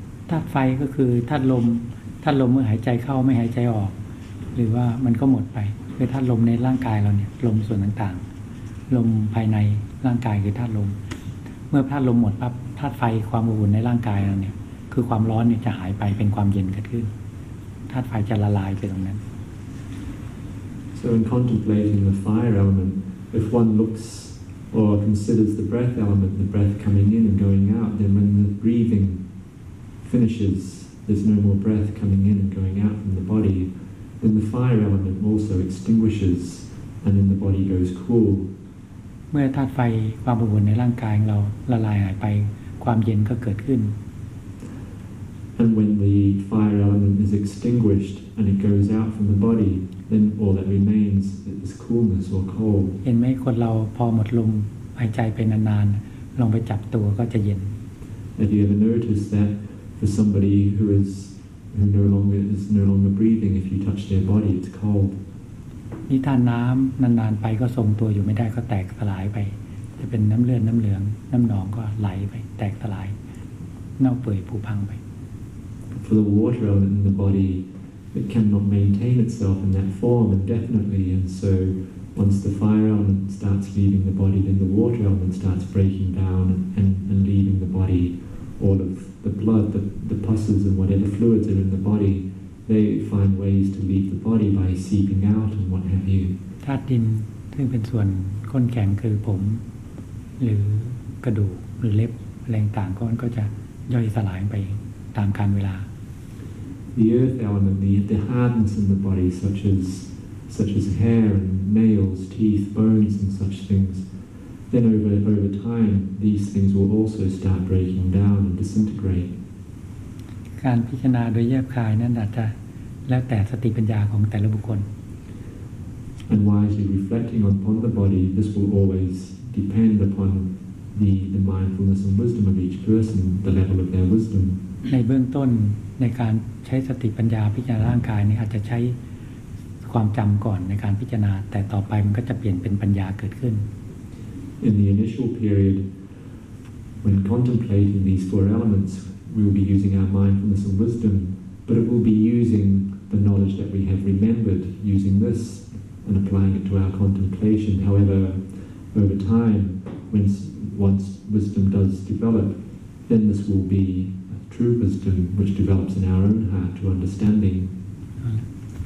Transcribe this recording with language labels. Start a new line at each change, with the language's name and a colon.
Thai: ธาตุไฟก็คือธาตุลมเมื่อหายใจเข้าไม่หายใจออกหรือว่ามันก็หมดไปคือธาตุลมในร่างกายเราเนี่ยลมส่วนต่างๆลมภายในร่างกายคือธาตุลมเมื่อธาตุลมหมดปั๊บธาตุไฟความอบอุ่นในร่างกายเราเนี่ยคือความร้อนเนี่ยจะหายไปเป็นความเย็นเกิดขึ้นธาตุไฟจะละลายไปตรงนั้น
English: So in contemplating the fire element if one looks or considers the breath element the breath coming in and going out then when the breathing finishes there's no more breath coming in and going out from the bodyThen the fire element also extinguishes, and then the body goes cool.
Thai: เมื่อธาตุไฟความอบอุ่นในร่างกายของเราละลายหายไปความเย็นก็เกิดขึ้น
English: And when the fire element is extinguished and it goes out from the body, then all that remains is coolness or cold.
Thai: เห็นไหมคนเราพอหมดลมหายใจไปนานๆลงไปจับตัวก็จะเย็น
English: Have you ever noticed that for somebody who isno longer breathing if you touch their body it's cold
Thai: นี่ท่านน้ํานานๆไปก็ทรงตัวอยู่ไม่ได้ก็แตกสลายไปจะเป็นน้ําเลือดน้ําเหลืองน้ําหนองก็ไหลไปแตกสลายเน่าเปื่อยผุพังไป
English: For the water element in the body it cannot maintain itself in that form indefinitely and so once the fire element starts leaving the body then the water element starts breaking down and leaving the body all ofthe blood, the pus and whatever fluids are in the body, they find ways to leave the body by seeping out and what have you.
Thai: ธาตุดินซึ่งเป็นส่วนข้นแข็งคือผมหรือกระดูกหรือเล็บแรงต่างก้อนก็จะย่อยสลายไปตามกาลเวลา
English: The earth element, the hardness in the body, such as hair and nails, teeth, bones and such things. Then over time these things will also start breaking down and disintegrate.
Thai: การพิจารณาโดยแยบคายนั้นอาจจะแล้วแต่สติปัญญาของแต่ละบุคคล
English: And wisely reflecting upon the body, this will always depend upon the mindfulness and wisdom of each person, the level of their wisdom.
Thai: ในเบื้องต้นในการใช้สติปัญญาพิจารณาร่างกายนี้อาจจะใช้ความจำก่อนในการพิจารณาแต่ต่อไปมันก็จะเปลี่ยนเป็นปัญญาเกิดขึ้น
English: In the initial period, when contemplating these four elements, we will be using our mindfulness and wisdom, but it will be using the knowledge that we have remembered, using this and applying it to our contemplation. However, over time, once wisdom does develop, then this will be true wisdom, which develops in our own heart to understanding.